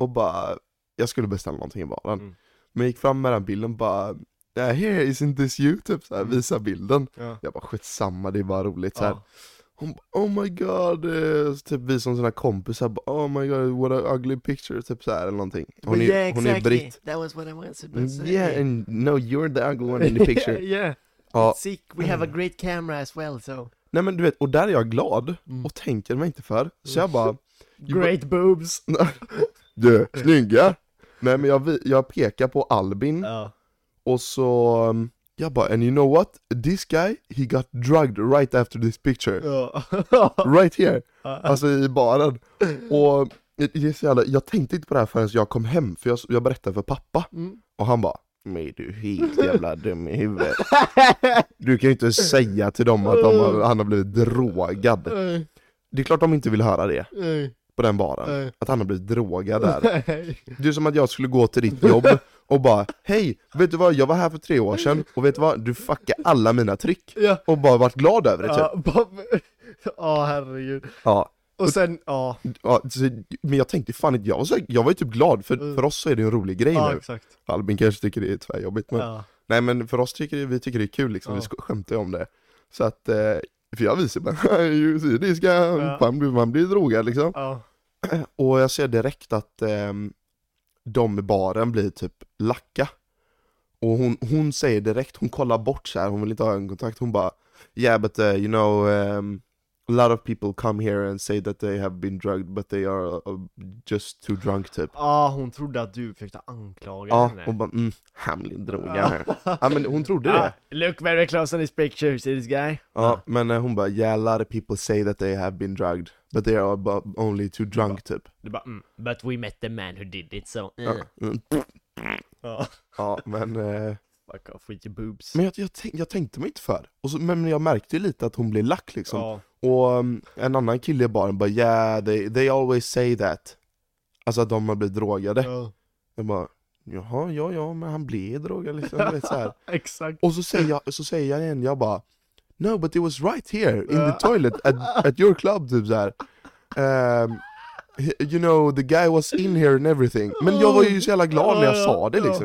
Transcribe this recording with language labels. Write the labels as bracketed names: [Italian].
[Swedish] Och bara, jag skulle beställa någonting i baren. Mm. Men jag gick fram med den bilden bara... [English] Ja, here is in this YouTube, [Swedish] så visa bilden. Ja. Jag bara, skitsamma, det är bara roligt. Så här. Hon bara, [English] oh my god. [Swedish] Så typ visar hon sina kompisar. Bara, [English] oh my god, what an ugly picture. [Swedish] Typ så här, eller någonting. Hon är, [English] exactly. [Swedish] Hon är britt. [English] That was what I was supposed to say. Yeah, and no, you're the ugly one in the picture. Yeah. Sick, we have a great camera as well, so. [Swedish] Nej, men du vet, och där är jag glad. Och tänker mig inte för. Så jag bara. [English] Great boobs. [Swedish] Du, snygga. Nej, men jag pekar på Albin. Ja. Och så, jag bara, [English] and you know what? This guy, he got drugged right after this picture. Right here. [Swedish] Alltså i baren. Och det är så jävla, jag tänkte inte på det här förrän jag kom hem. För jag berättade för pappa. Mm. Och han bara, men du är helt jävla dum i huvudet. Du kan ju inte säga till dem att han har blivit drogad. Nej. Det är klart de inte vill höra det. Nej. På den baren. Nej. Att han har blivit drogad där. Nej. Det är som att jag skulle gå till ditt jobb. Och bara, hej, vet du vad, jag var här för 3 år sedan. Och vet du vad, du fuckade alla mina trick. Ja. Och bara varit glad över det typ. Herregud. Ja. Och sen, ja. Men jag tänkte, fan inte, jag var ju typ glad. För oss så är det en rolig grej nu. Exakt. Albin kanske tycker det är tvärjobbigt. Men, ja. Nej, men för oss tycker det är kul liksom. Ja. Vi skämtar om det. Så att, för jag visar bara, [English] you see this guy, [Swedish] man blir drogad liksom. Ja. Och jag ser direkt att... de i baren blir typ lacka. Och hon säger direkt, hon kollar bort så här, hon vill inte ha ögonkontakt. Hon bara, [English] yeah, but you know, a lot of people come here and say that they have been drugged, but they are just too drunk typ. [Swedish] Ah, hon trodde att du fick ta anklaga henne. Hon bara, hemlig droga. Ja, men hon trodde det. [English] Look very close on his picture, see this guy? [Swedish] Men hon bara, [English] yeah, a lot of people say that they have been drugged, but they are only too drunk typ. [Swedish] Du bara, [English] but we met the man who did it, so. Fuck off with your boobs. [Swedish] Men jag tänkte mig inte för. Och så, men jag märkte ju lite att hon blev lack liksom. Ja. Och en annan kille i baren bara, [English] yeah, they always say that. [Swedish] Alltså att de har blivit drogade. Ja. Jag bara, jaha, ja, men han blev drogad liksom. Vet, så här. Exakt. Och så säger jag igen, jag bara, [English] no, but it was right here in the toilet at your club, [Swedish] typ såhär. [English] You know, the guy was in here and everything. [Swedish] Men jag var ju så jävla glad när jag sa det liksom.